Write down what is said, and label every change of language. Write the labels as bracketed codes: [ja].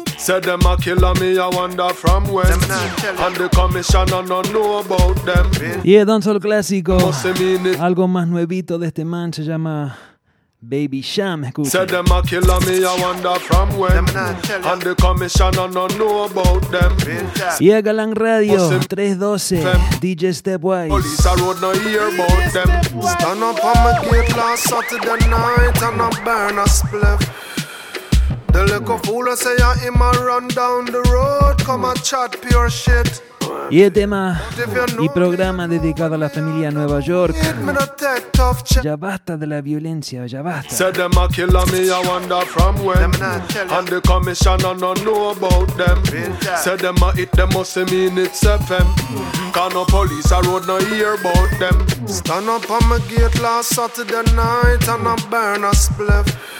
[en] said them a killer me a wonder from where. And the commissioner no know about them. Yeah, Don Sol Clásico. [es] Algo más nuevito de este man se llama Baby Sham, escucha. [en] Said them a killer me, I wonder from when. And the commissioner no know about them. Yeah, Galang Radio, 312, DJ Stepwise. Police a road no hear about them. Stand up on my gate last Saturday night and I burn a spliff. The little fool I say I him a run down the road, come a chat pure shit. [es] Y el tema y programa dedicado a la familia Nueva York. Ya basta de la violencia, ya basta. [en] Said them a killer me, I wonder from when. And the commissioner no know about them. Said them a hit them, must mean it's FM. Can no police a road no hear about them. Stand up on my gate last Saturday night and I burn a spliff.